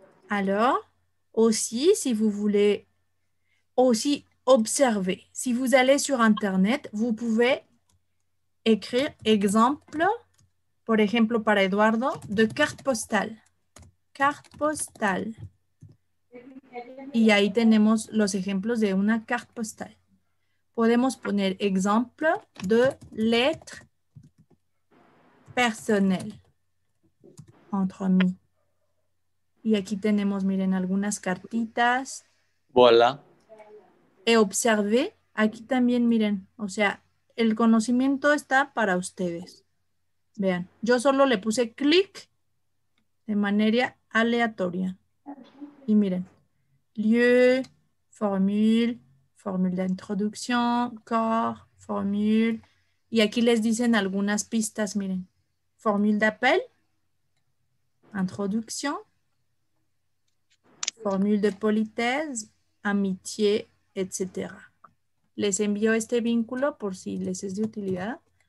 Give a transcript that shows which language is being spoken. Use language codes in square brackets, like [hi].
[fr] Alors, aussi, si vous voulez aussi observer, si vous allez sur Internet, vous pouvez écrire exemple, par exemple, para Eduardo, de carte postale. Carte postale. [es] Y ahí tenemos los ejemplos de una carte postale. Podemos poner [fr] exemple de lettre personnelle. [es] Entre mí. Y aquí tenemos, miren, algunas cartitas. [fr] Voilà. [es] Y observé, aquí también, miren, o sea, el conocimiento está para ustedes. Vean, yo solo le puse clic de manera aleatoria. Y miren, [fr] lieu, formule, formule d'introduction, corps, formule. [es] Y aquí les dicen algunas pistas, miren. [fr] Formule d'appel, introducción, formule de politesse, amitié, etc. [es] Les envío este vínculo por si les es de utilidad.